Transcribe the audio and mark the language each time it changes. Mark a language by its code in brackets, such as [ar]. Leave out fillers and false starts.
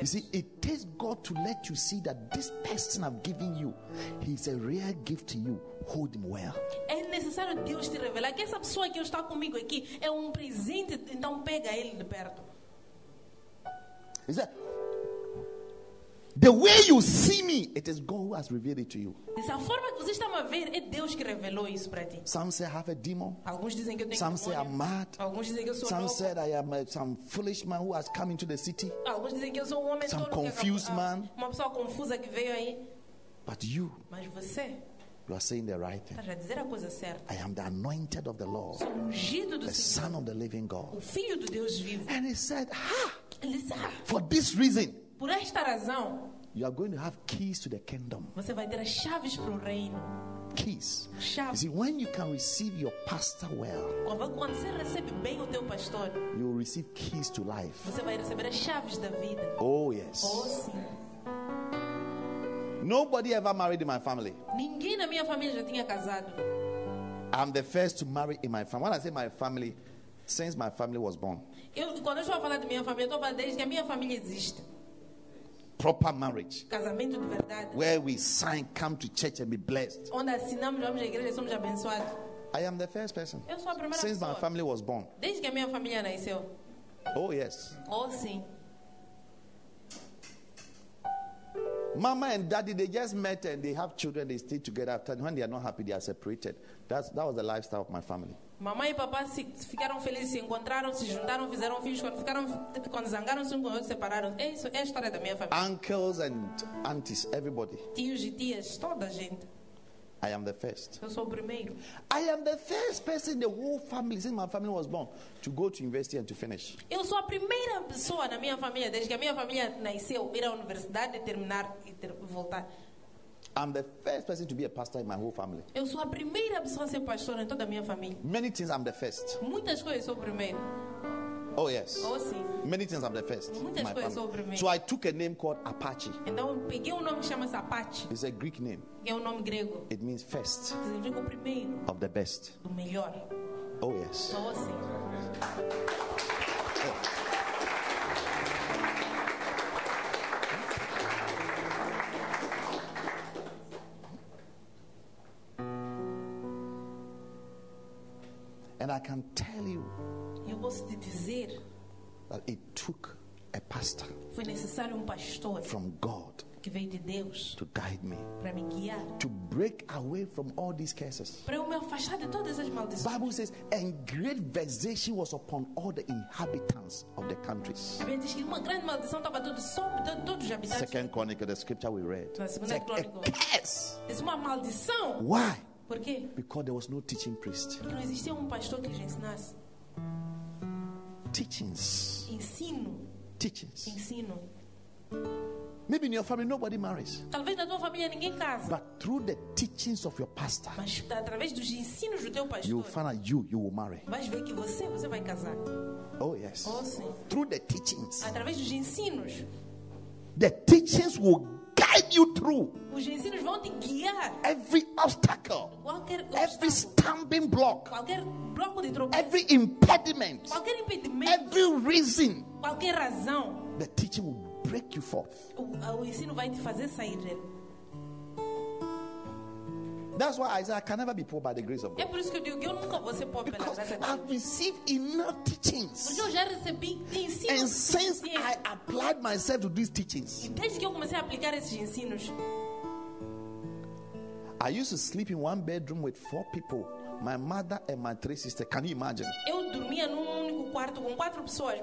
[en] You see, it takes God to let you see that this person I've given you, he's a real gift to you. Hold him well. [pt] É necessário Deus te revelar que essa pessoa que está comigo aqui é um presente. Então pega ele de perto. [en] Is that? The way you see me, it is God who has revealed it to you. [pt] Dessa forma que você está a ver, é Deus que revelou isso para ti. [en] Some say I have a demon. [pt] Alguns dizem que eu tenho. [en] Some [pt] demônio. [en] Say I'm mad. [pt] Alguns dizem que eu sou. [en] Some [pt] louco. [en] Said I am some foolish man who has come into the city. [pt] Alguns dizem que eu sou um homem [en] some confused [pt] que, [en] man. [pt] Uma pessoa confusa que veio aí. [en] But you. [pt] Mas você. [en] You are saying the right thing. [pt] Para dizer a coisa certa. [en] I am the anointed of the Lord. [pt] Sou ungido do [en] the [pt] Senhor. [en] The Son of the living God. [pt] O filho do Deus vivo. [en] And he said, ha! [pt] Ele disse, ah, [en] for this reason. [pt] Por esta razão. [en] You are going to have keys to the kingdom. [pt] Você vai ter as chaves para o reino. [en] Keys. [pt] Chave. [en] You see, when you can receive your pastor well. [pt] Quando você recebe bem o teu pastor. [en] You will receive keys to life. [pt] Você vai receber as chaves da vida. [en] Oh yes. [pt] Oh sim. [en] Nobody ever married in my family. [pt] Ninguém na minha família já tinha casado. [en] I'm the first to marry in my family. When I say my family, since my family was born. [pt] Eu, quando eu estou a falar de minha família, estou a falar desde que a minha família existe. [en] Proper marriage. [pt] Casamento de verdade. [en] Where we sign, come to church and be blessed. [pt] Onde assinamos, vamos à igreja e somos abençoados. [en] I am the first person. [pt] Eu sou a primeira [en] since [pt] pessoa. [en] My family was born. [pt] Desde que a minha família nasceu. [en] Oh, yes. [pt] Oh, sim. [en] Mama and daddy, they just met and they have children, they stay together. After, when they are not happy, they are separated. That was the lifestyle of my family. [pt] Mamãe e papá se ficaram felizes, se encontraram, se juntaram, fizeram filhos. Quando zangaram-se um com o outro, separaram. É isso, é a história da minha família. [en] Uncles and aunties, everybody. [pt] Tios e tias, toda a gente. [en] I am the first. [pt] Eu sou o primeiro. [en] I am the first person in the whole family, since my family was born, to go to university and to finish. [pt] Eu sou a primeira pessoa na minha família, desde que a minha família nasceu, ir à universidade, terminar e voltar. [en] I'm the first person to be a pastor in my whole family. [pt] Eu sou a primeira pessoa a ser pastor em toda a minha família. [en] Many things I'm the first. [pt] Muitas coisas sou o primeiro. [en] Oh, yes. [pt] Oh, sim. [en] Many things I'm the first. [pt] Muitas coisas sou o primeiro. [en] So I took a name called Apache. [pt] Então peguei nome que chama-se Apache. [en] It's a Greek name. [pt] É nome grego. [en] It means first. [pt] Significa o primeiro. [en] Of the best. [pt] Do melhor. [en] Oh, yes. [pt] Oh, sim. [en] And I can tell you, [pt] eu posso te dizer, [en] that it took a pastor, [pt] foi necessário pastor [en] from God, [pt] que veio de Deus, [en] to guide me, [pt] para me guiar, [en] to break away from all these curses. [pt] Para eu me afastar de todas as maldições. [en] Bible says, and great vexation was upon all the inhabitants of the countries. [pt] A Bíblia diz que uma grande maldição estava todos os habitantes. [en] Second Chronicle, the scripture we read. [pt] É uma maldição. [en] Why? [pt] Por quê? [en] Because there was no teaching priest. [pt] Não existia pastor que ensinasse. [en] Teachings. [pt] Ensino. [en] Teachings. [pt] Ensino. [en] Maybe in your family nobody marries. [pt] Talvez na tua família ninguém case. [en] But through the teachings of your pastor. [pt] Mas através dos ensinos do teu pastor. [en] You'll find out you will marry. [pt] Vais ver que você vai casar. [en] Oh yes. [pt] Oh sim. [en] Through the teachings. [pt] Através dos ensinos. [en] The teachings will guide you through. [pt] Os ensinos vão te guiar. [en] Every obstacle. [pt] Qualquer [en] every stumbling block. [pt] Qualquer bloco de tropeço. [en] Every impediment. [pt] Qualquer impedimento. [en] Every reason. [pt] Qualquer razão. [en] The teaching will break you forth. [pt] O ensino vai te fazer sair dele. [en] That's why I say I can never be poor by the grace of God. [pt] É por isso que eu digo que eu nunca vou ser pobre pela graça de Deus. [en] I've received enough teachings. [pt] Porque eu já recebi ensinos. [en] And since I applied myself to these teachings. [pt] E desde que eu comecei a aplicar esses ensinos. [en] I used to sleep in one bedroom with four people. My mother and my three sisters. Can you imagine? [pt] Eu dormia num único quarto com quatro pessoas.